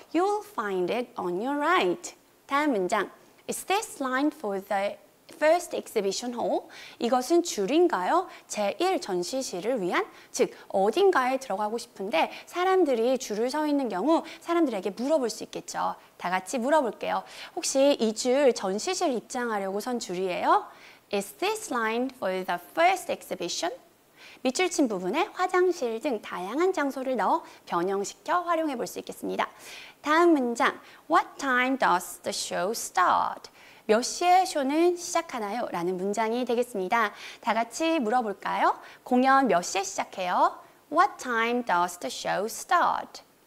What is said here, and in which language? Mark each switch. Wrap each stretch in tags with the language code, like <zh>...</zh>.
<en>You'll find it on your right.</en> <ko>다음 문장.</ko> <en>Is this line for the first exhibition hall?</en> <ko>이것은 줄인가요? 제1 전시실을 위한? 즉, 어딘가에 들어가고 싶은데 사람들이 줄을 서 있는 경우 사람들에게 물어볼 수 있겠죠. 다 같이 물어볼게요. 혹시 이 줄 전시실 입장하려고 선 줄이에요?</ko> <en>Is this line for the first exhibition?</en> <ko>밑줄 친 부분에 화장실 등 다양한 장소를 넣어 변형시켜 활용해 볼 수 있겠습니다. 다음 문장.</ko> <en>What time does the show start?</en> <ko>몇 시에 쇼는 시작하나요? 라는 문장이 되겠습니다. 다 같이 물어볼까요? 공연 몇 시에 시작해요?</ko> <en>What time does the show start?</en>